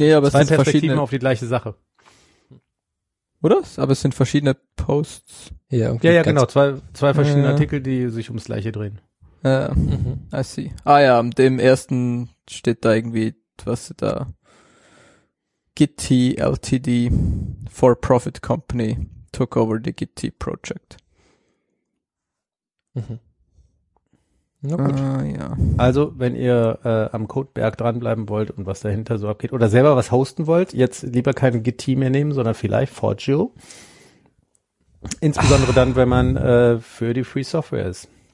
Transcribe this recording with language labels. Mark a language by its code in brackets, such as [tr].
[de] Nee, aber es sind verschiedene auf die gleiche Sache. Oder? Aber es sind verschiedene Posts. Ja, irgendwie ja genau. Zwei verschiedene Artikel, die sich ums Gleiche drehen. [en] I see. [de] Ah ja, dem ersten steht da irgendwie, was da. [en] Gitti LTD for-profit company took over the Gitti project. [de] Mhm. Na gut. Ja. Also, wenn ihr am Codeberg dranbleiben wollt und was dahinter so abgeht oder selber was hosten wollt, jetzt lieber kein Gitti mehr nehmen, sondern vielleicht Forgio. Insbesondere dann, wenn man für die Free Software ist.